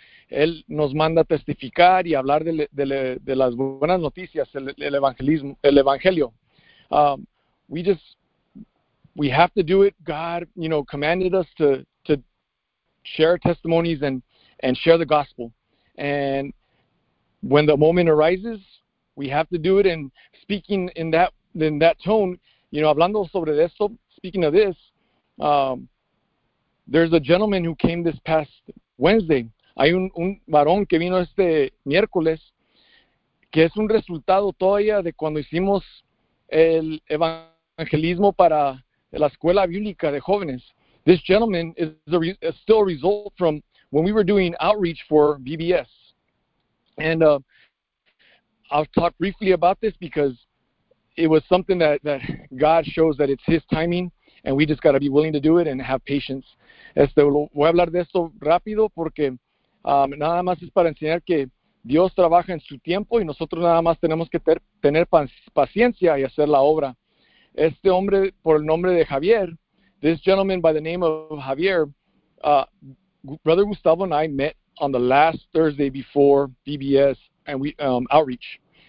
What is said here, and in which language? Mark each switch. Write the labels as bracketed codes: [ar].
[es] Él nos manda testificar y hablar de las buenas noticias, el evangelismo, el evangelio. [en] We have to do it. God, you know, commanded us to share testimonies and share the gospel. And when the moment arises, we have to do it. And speaking in that tone, you know, [es] hablando sobre esto, [en] speaking of this, there's a gentleman who came this past Wednesday. [es] Hay un varón que vino este miércoles, que es un resultado todavía de cuando hicimos el evangelismo para la escuela bíblica de jóvenes. [en] This gentleman is still a result from when we were doing outreach for BBS. And I'll talk briefly about this because it was something that God shows that it's his timing, and we just got to be willing to do it and have patience. [es] Voy a hablar de esto rápido porque nada más es para enseñar que Dios trabaja en su tiempo y nosotros nada más tenemos que tener paciencia y hacer la obra. Este hombre, por el nombre de Javier, [en] this gentleman by the name of Javier, Brother Gustavo and I met on the last Thursday before BBS and we outreach.